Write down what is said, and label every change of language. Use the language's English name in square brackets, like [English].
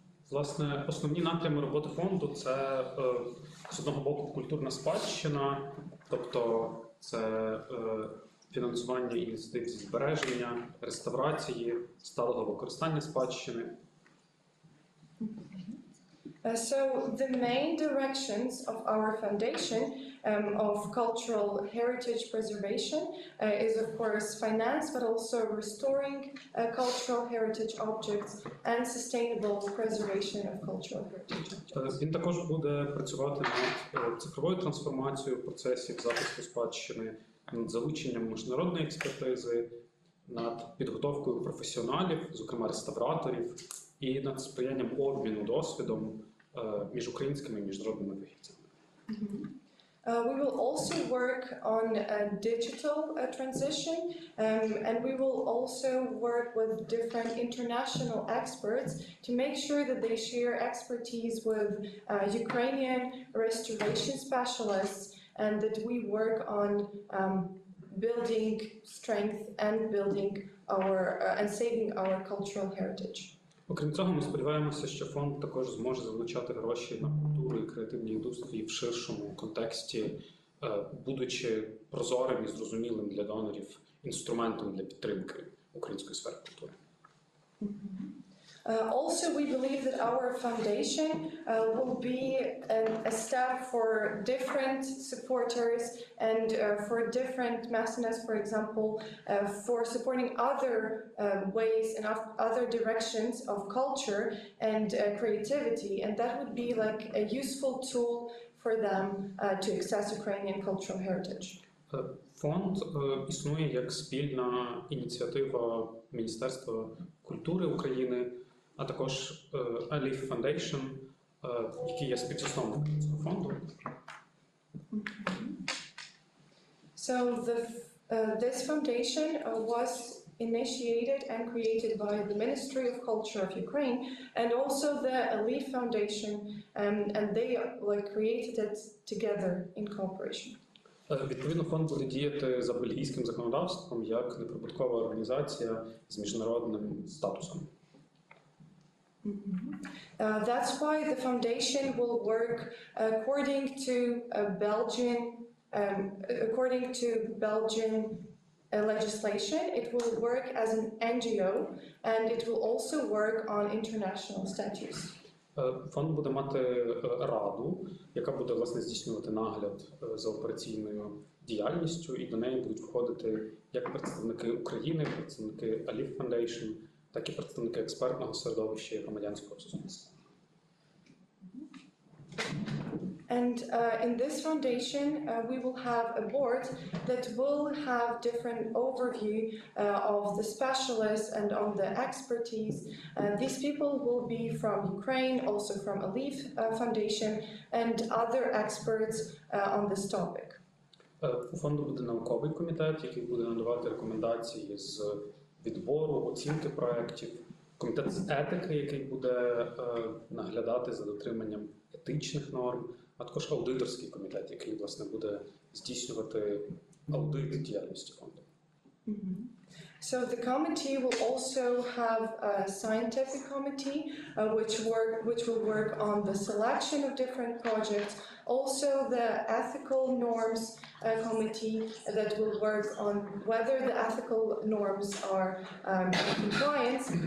[Ukrainian] Власне, основні напрями роботи фонду – це, з одного боку, культурна спадщина, тобто це фінансування ініціатив зі збереження, реставрації, сталого використання спадщини. [English] So the main directions of our foundation of cultural heritage preservation is of course finance, but also restoring cultural heritage objects and sustainable preservation of cultural heritage objects. [Ukrainian] Він також буде працювати над цифровою трансформацією процесів запису спадщини, над залученням міжнародної експертизи, над підготовкою професіоналів, зокрема реставраторів, і над сприянням обміну досвідом між українськими і міжнародними вихідцями. [English] We will also work on a digital transition, and we will also work with different international experts to make sure that they share expertise with Ukrainian restoration specialists, and that we work on building strength and building our and saving our cultural heritage. [Ukrainian] Окрім цього, ми сподіваємося, що фонд також зможе залучати гроші на культуру і креативні індустрії в ширшому контексті, будучи прозорим і зрозумілим для донорів інструментом для підтримки української сфери культури. [English] Also, we believe that our foundation will be a step for different supporters and for different mecenas, for example, for supporting other ways and other directions of culture and creativity. And that would be like a useful tool for them to access Ukrainian cultural heritage. [Ukrainian] Фонд існує як спільна ініціатива Міністерства культури України, а також ALIF Foundation, який є співзасновником цього фонду. [English] So the this foundation was initiated and created by the Ministry of Culture of Ukraine and also the ALIF Foundation, and they like created it together in cooperation. [Ukrainian] Відповідно, фонд буде діяти за бельгійським законодавством як неприбуткова організація з міжнародним статусом. [English] That's why the foundation will work according to a Belgian according to Belgian legislation. It will work as an NGO and it will also work on international statutes. [Ukrainian] Фонд буде мати раду, яка буде власне здійснювати нагляд за операційною діяльністю, і до неї будуть входити як представники України, представники ALIF Foundation, так і представники експертного середовища і громадянського суспільства. [English] And in this foundation we will have a board that will have different overview of the specialists and on the expertise. These people will be from Ukraine, also from ALIF Foundation and other experts on this topic. [Ukrainian] У фонду буде науковий комітет, який буде надавати рекомендації з відбору, оцінки проєктів, комітет з етики, який буде наглядати за дотриманням етичних норм, а також аудиторський комітет, який, власне, буде здійснювати аудит діяльності фонду. [English] So the committee will also have a scientific committee, which will work on the selection of different projects. Also the ethical norms committee that will work on whether the ethical norms are in compliance.